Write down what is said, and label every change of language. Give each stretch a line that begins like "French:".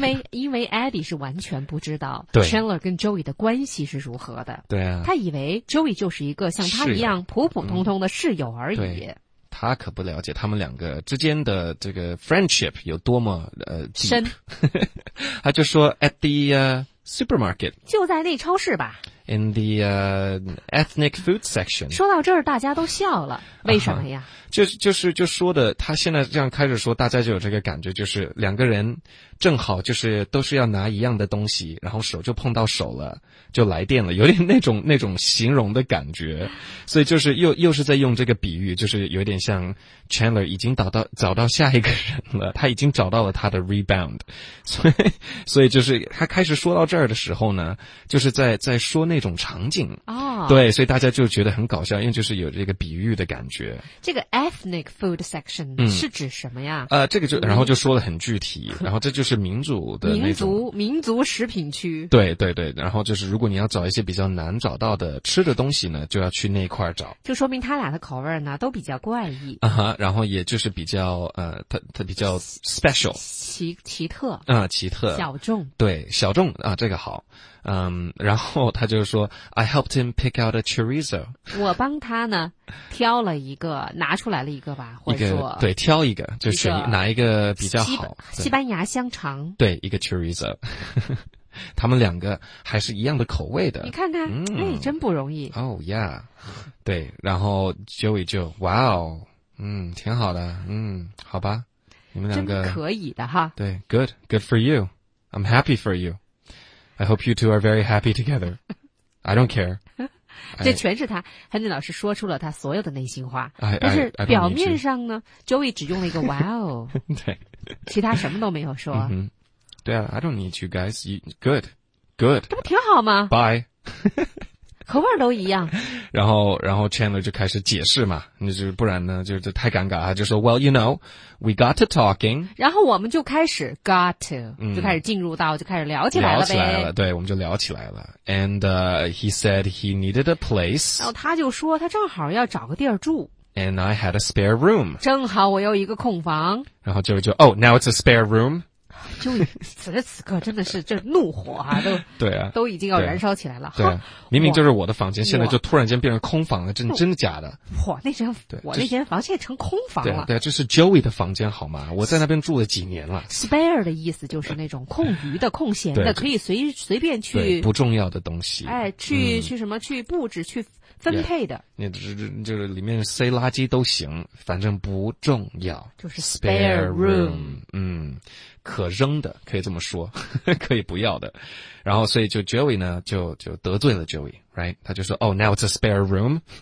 Chinese: 因为 Eddie 是完全不知道 Chandler 跟 Joey 的关系是如何的对啊他以为 Joey 就是一个像他一样普普通通的室友而已、他可不了解他们两个之间的这个 friendship 有多么深他就说
English: at the supermarket
Chinese: 就在那超市吧
English: in the ethnic food section.
Chinese: 说到这儿大家都笑了，为什么呀？就说的，他现在这样开始说，大家就有这个感觉，就是两个人正好就是都是要拿一样的东西，然后手就碰到手了，就来电了，有点那种形容的感觉。所以就是又是在用这个比喻，就是有点像 Chandler 已经找到下一个人了，他已经找到了他的 rebound。所以就是他开始说到这儿的时候呢，就是在说那种场景、 oh. 对，所以大家就觉得很搞笑，因为就是有这个比喻的感觉。这个Ethnic food section、是指什么呀？这个就然后就说了很具体，然后这就是民族的那种民族食品区。对对对，然后就是如果你要找一些比较难找到的吃的东西呢，就要去那块找。就说明他俩的口味呢都比较怪异啊、然后也就是比较他比较 special 奇特啊、奇特小众，对小众啊、这个好。然后他就说
English: I helped him pick out a chorizo，
Chinese: 我帮他呢挑了一个，拿出来了一个吧，或者说一个，对，挑一个就是哪一个比较好，西班牙香肠，对，一个 chorizo 他们两个还是一样的口味的，你看看、哎，真不容易。
English: Oh yeah，
Chinese: 对，然后 Joey 就哇哦，挺好的，好吧，你们两个真可以的哈，对，
English: good for you， I'm happy for youI hope you two are very happy together. I don't care.
Chinese: 这全是他 Henry 老师说出了他所有的内心话。但是表面上呢 Joey 只用了一个 wow. 对。其他什么都没有说。嗯、对啊
English: ,I don't need you guys. Good.
Chinese: 这不挺好吗？
English: Bye.
Chinese: 口味都一样。然后 Chandler 就开始解释嘛，那就不然呢就太尴尬啊，就说
English: Well, you know, we got to talking.
Chinese: 然后我们就开始
English: got to,、
Chinese: 就开始进入到就开始聊起来了呗。聊起来了，对，我们就聊起来了。
English: And, he said he needed a place.
Chinese: 然后他就说他正好要找个地儿住。
English: And I had a spare room.
Chinese: 正好我有一个空房。然后就
English: oh, now it's a spare room.
Chinese: 就此时此刻真的是这怒火啊，都对啊，都已经要燃烧起来了。对、啊，明明就是我的房间，现在就突然间变成空房了，真的假的？哇，那间我那间房现在成空房了。对、啊，对、啊，这是 Joey 的房间好吗？我在那边住了几年了。 Spare 的意思就是那种空余的、空闲的，可以随便去不重要的东西。哎，去、去什么？去布置、去分配的。那、就是里面塞垃圾都行，反正不重要。就是 spare room，可扔的，可以这么说，可以不要的。然后所以就 Joey 呢就得罪了 Joey，
English: right，
Chinese: 他就说
English: oh now it's a spare room。